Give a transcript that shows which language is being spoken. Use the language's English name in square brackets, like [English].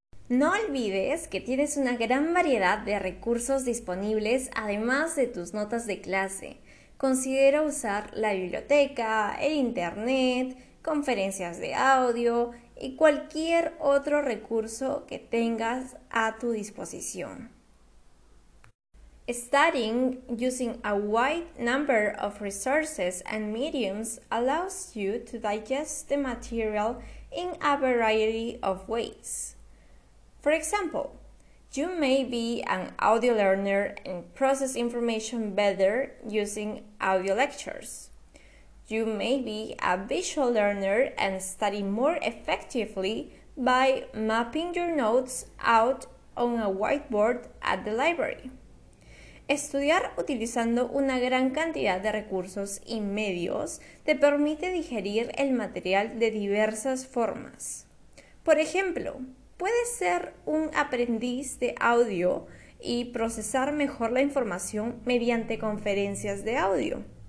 [Spanish] No olvides que tienes una gran variedad de recursos disponibles además de tus notas de clase. Considera usar la biblioteca, el internet, conferencias de audio y cualquier otro recurso que tengas a tu disposición. [English] Studying using a wide number of resources and mediums allows you to digest the material in a variety of ways. For example, you may be an audio learner and process information better using audio lectures. You may be a visual learner and study more effectively by mapping your notes out on a whiteboard at the library. [Spanish] Estudiar utilizando una gran cantidad de recursos y medios te permite digerir el material de diversas formas. Por ejemplo, puedes ser un aprendiz de audio y procesar mejor la información mediante conferencias de audio.